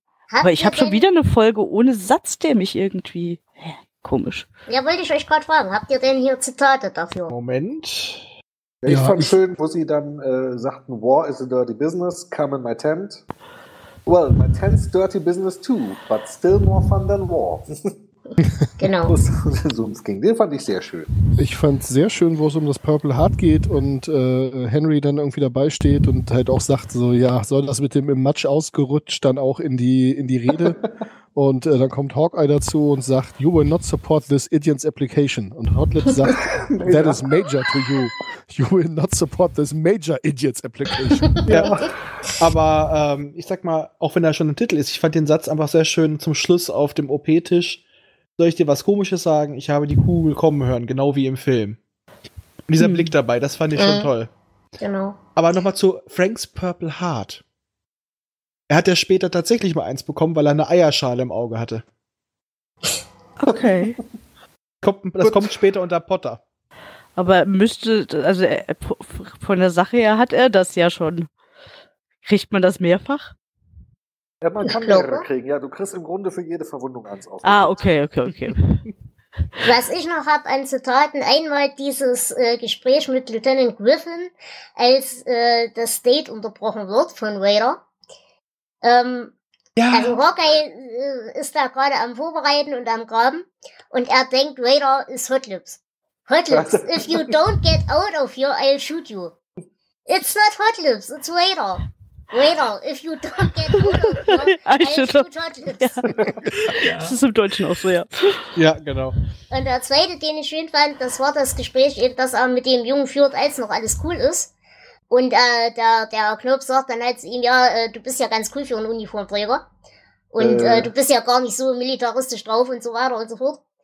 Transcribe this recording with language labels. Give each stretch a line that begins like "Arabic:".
German: Aber ich habe schon wieder eine Folge ohne Satz, der mich irgendwie... komisch. Ja, wollte ich euch gerade fragen. Habt ihr denn hier Zitate dafür? Moment... Ich fand schön, wo sie dann sagten,
English: war is a dirty business, come in my tent. Well, my tent's dirty business too, but still more fun than war.
German: Genau. So es ging. Den fand ich sehr schön. Ich fand es sehr schön, wo es um das Purple Heart geht und Henry dann irgendwie dabei steht und halt auch sagt so, ja, soll das mit dem im Matsch ausgerutscht dann auch in die Rede. Und dann kommt Hawkeye dazu und sagt,
English: you will not support this idiot's application.
German: Und Hotlips sagt,
English: that is major to you. You will not support this major idiot's application.
German: Ja. Aber ich sag mal, auch wenn da schon ein Titel ist, ich fand den Satz einfach sehr schön zum Schluss auf dem OP-Tisch. Soll ich dir was Komisches sagen? Ich habe die Kugel kommen hören, genau wie im Film. Und dieser Blick dabei, das fand ich schon toll. Genau. Aber nochmal zu Franks Purple Heart. Er hat ja später tatsächlich mal eins bekommen, weil er eine Eierschale im Auge hatte. Okay. Das kommt später unter Potter. Aber müsste, also von der Sache her hat er das ja schon. Kriegt man das mehrfach? Ja, man kann mehrere kriegen. Ja, du kriegst im Grunde für jede Verwundung eins auf. Ah, okay. Was ich noch habe an Zitaten, einmal dieses Gespräch mit Lieutenant Griffin, als das Date unterbrochen wird von Vader. Also Hawkeye ist da gerade am Vorbereiten und am Graben und er denkt, Vader ist Hotlips.
English: Hotlips, if you don't get out of here, I'll shoot you. It's not Hotlips, it's Vader. Vader, if you don't get out of here, I'll shoot Hotlips.
German: Ja. Ja. Das ist im Deutschen auch so, ja. Ja, genau. Und der zweite, den ich schön fand, das war das Gespräch, eben, das er mit dem Jungen führt, als noch alles cool ist. Und der Knopf sagt dann halt zu ihm, ja, du bist ja ganz cool für einen Uniformträger. Und du bist ja gar nicht so militaristisch drauf und so weiter und so fort.